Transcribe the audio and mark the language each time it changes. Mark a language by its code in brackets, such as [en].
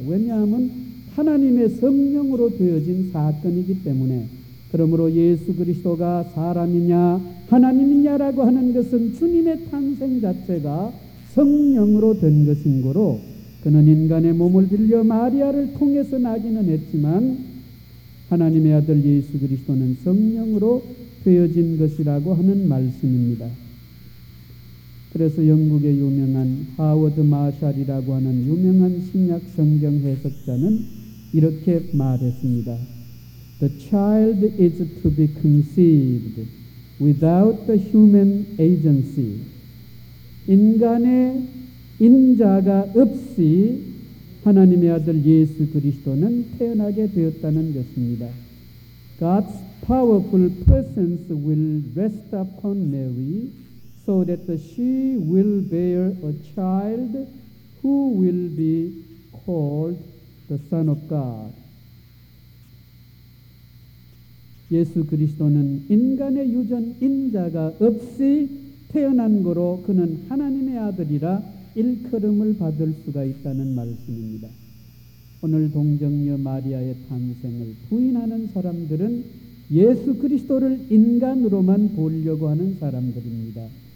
[ko] 왜냐하면 하나님의 성령으로 되어진 사건이기 때문에 그러므로 예수 그리스도가 사람이냐 하나님이냐라고 하는 것은 주님의 탄생 자체가 성령으로 된 것인 거로 그는 인간의 몸을 빌려 마리아를 통해서 나기는 했지만 하나님의 아들 예수 그리스도는 성령으로 되어진 것이라고 하는 말씀입니다. 그래서 영국의 유명한 하워드 마샬이라고 하는 유명한 신약 성경 해석자는 이렇게 말했습니다. [en] The child is to be conceived without the human agency. [ko] 인간의 인자가 없이 하나님의 아들 예수 그리스도는 태어나게 되었다는 것입니다. [en] God's powerful presence will rest upon Mary so that she will bear a child who will be called the Son of God. [ko] 예수 그리스도는 인간의 유전 인자가 없이 태어난 거로 그는 하나님의 아들이라 일컬음을 받을 수가 있다는 말씀입니다. 오늘 동정녀 마리아의 탄생을 부인하는 사람들은 예수 그리스도를 인간으로만 보려고 하는 사람들입니다.